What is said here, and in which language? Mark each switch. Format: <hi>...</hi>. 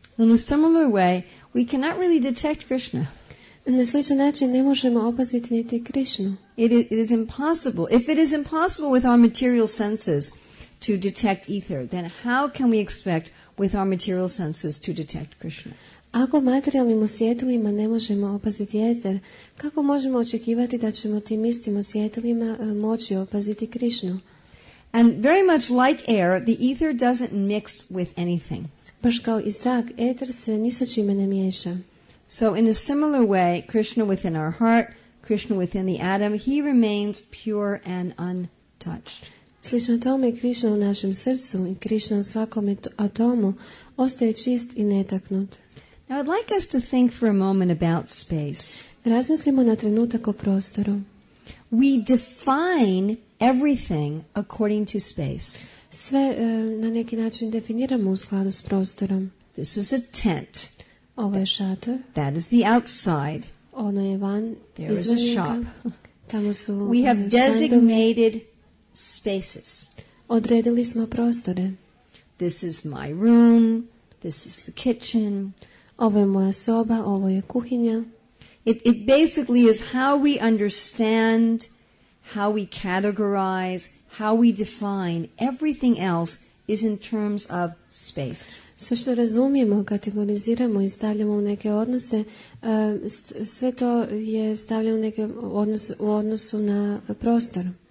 <en>In a similar way, we cannot really detect Krishna.</en> <hr>Na sličan način ne možemo opaziti niti Krishnu.</hr> <en>It is impossible. If it is impossible with our material senses to detect ether, then how can we expect with our material senses to detect Krishna?</en> <hr>Ako materijalnim osjetilima ne možemo opaziti eter, kako možemo očekivati da ćemo tim istim osjetilima moći opaziti Krišnu?</hr> <en>And very much like air, the ether doesn't mix with anything.</en> <hr>Baš kao i zrak, eter se ni sa čime ne miješa.</hr> <en>So in a similar way, Krishna within our heart, Krishna within the atom, he remains pure and untouched.</en> <hr>Slično tome, Krišna u našem srcu i Krišna u svakom atomu ostaje čist i netaknut.</hr> <en>Now I'd like us to think for a moment about space.</en> <hr>Razmislimo na trenutak o prostoru.</hr> <en>We define everything according to space.</en> <hr>Sve na neki način definiramo u skladu s prostorom.</hr> <en>This is a tent.</en> <hr>Ovo je šator.</hr> <en>That is the outside.</en> <hr>Ono je van.</hr> <en>There is a shop.</en> <hr>Tamo su</hr> <en>we have designated spaces.</en> <hr>Odredili smo prostore.</hr> <en>This is my room. This is the kitchen.</en> <hr>Ovo je moja soba, ovo je kuhinja.</hr> <en>It basically is how we understand, how we categorize, how we define everything else is in terms of space.</en> <hr>Sve što razumijemo, kategoriziramo i stavljamo u neke odnose, sve to je stavljeno u neke odnose u odnosu na prostor.</hr>